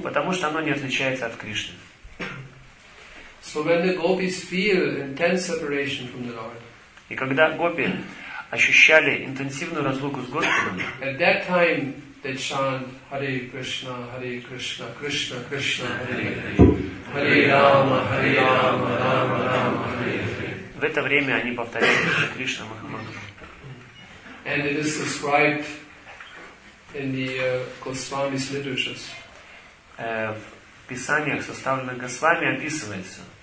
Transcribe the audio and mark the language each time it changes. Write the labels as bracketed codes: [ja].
[ru] Потому что оно не отличается от Кришны. [en] So when the gopis feel intense separation from the Lord. [ru] И когда гопи ощущали интенсивную разлуку с Господом. [en] At that time they chant [sa] Hare Krishna, Hare Krishna, Krishna Krishna, Hare Hare. Hare Rama, Hare Rama, Rama Rama, Hare Hare. [ru] В это время они повторяли Кришна Махамантру. В писаниях, составленных Госвами, описывается.